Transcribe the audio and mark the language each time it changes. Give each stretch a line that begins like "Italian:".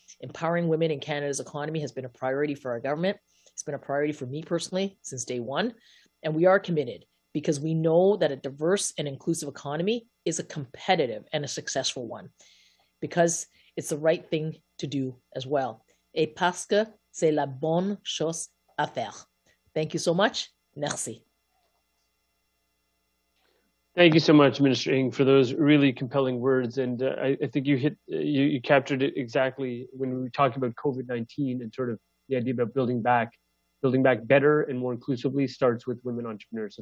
English: Empowering women in Canada's economy has been a priority for our government. It's been a priority for me personally since day one. And we are committed because we know that a diverse and inclusive economy is a competitive and a successful one because it's the right thing to do as well.
French: Et parce que c'est la bonne chose à faire.
English: Thank you so much.
French: Merci.
English: Thank you so much, Minister Ng, for those really compelling words. And I think you captured it exactly when we talk about COVID-19 and sort of the idea about building back better and more inclusively starts with women entrepreneurs.